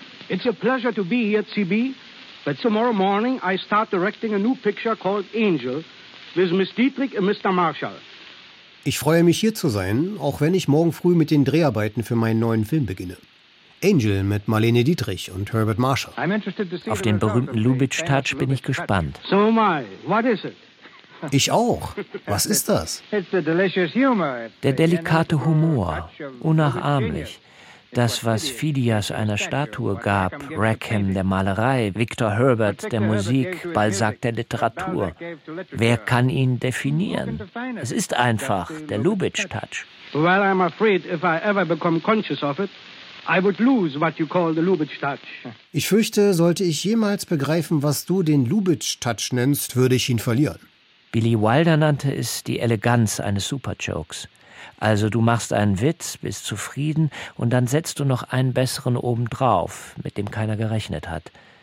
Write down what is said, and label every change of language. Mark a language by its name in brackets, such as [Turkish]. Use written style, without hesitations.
[English] It's a pleasure to be here at CB, but tomorrow morning I start directing a new picture called Angel with Miss Dietrich and Mr. Marshall. [German] Ich freue mich, hier zu sein, auch wenn ich morgen früh mit den Dreharbeiten für meinen neuen Film beginne. Angel mit Marlene Dietrich und Herbert Marshall. [English] I'm interested to see [German] auf den berühmten Lubitsch-Touch bin ich gespannt. [English] So am I. What is it? [German] Ich auch. Was ist das? [English] It's the delicious humor. [German] Der delikate Humor, unnachahmlich. Das, was Phidias einer Statue gab, Rackham der Malerei, Victor Herbert der Musik, Balzac der Literatur. Wer kann ihn definieren? Es ist einfach der Lubitsch-Touch. [English] Well, I'm afraid if I ever become conscious of it, I would lose what you call the Lubitsch touch. [German] Ich fürchte, sollte ich jemals begreifen, was du den Lubitsch touch nennst, würde ich ihn verlieren. Billy Wilder nannte es die Eleganz eines Superjokes. Also du machst einen Witz, bist zufrieden und dann setzt du noch einen besseren obendrauf, mit dem keiner gerechnet hat.